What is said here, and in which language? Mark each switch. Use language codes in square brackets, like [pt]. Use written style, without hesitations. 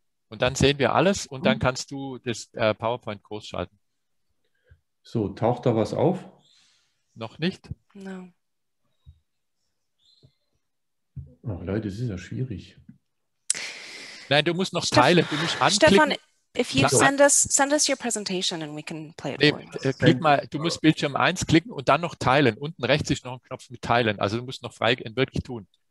[de] Und dann sehen wir alles und dann kannst du das PowerPoint groß schalten. So, taucht da was auf? Noch nicht. Nein. Ach Leute, das ist ja schwierig. Nein, du musst noch teilen, du musst anklicken. [en] Stefan, if you send us your presentation and we can play it. [de] Klick mal, du musst Bildschirm 1 klicken und dann noch teilen. Unten rechts ist noch ein Knopf mit teilen. Also du musst noch frei in wirklich tun.